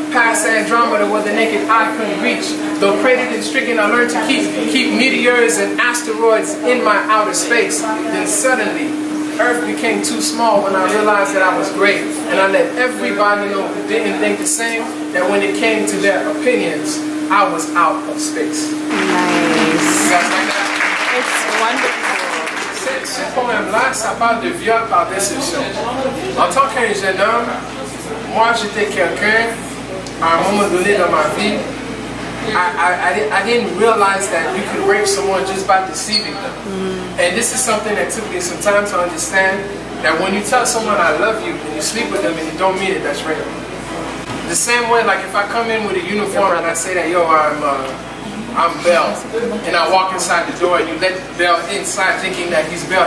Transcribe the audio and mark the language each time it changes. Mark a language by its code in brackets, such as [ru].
[en] Past Andromeda where the naked eye couldn't reach. Though cratered and stricken, I learned to keep meteors and asteroids in my outer space. Then suddenly, Earth became too small when I realized that I was great. And I let everybody know who didn't think the same, that when it came to their opinions, I was out of space. Nice. You guys like that? It's wonderful. [fr] Ce poème là, ça parle de viol par déception. En tant qu'un jeune homme, moi j'étais quelqu'un à un moment donné dans ma vie. [en] I didn't realize that you could rape someone just by deceiving them. And this is something that took me some time to understand, that when you tell someone I love you and you sleep with them and you don't mean it, that's rape. The same way, like if I come in with a uniform and I say that, yo, I'm Belle, and I walk inside the door, and you let Belle inside thinking that he's Belle.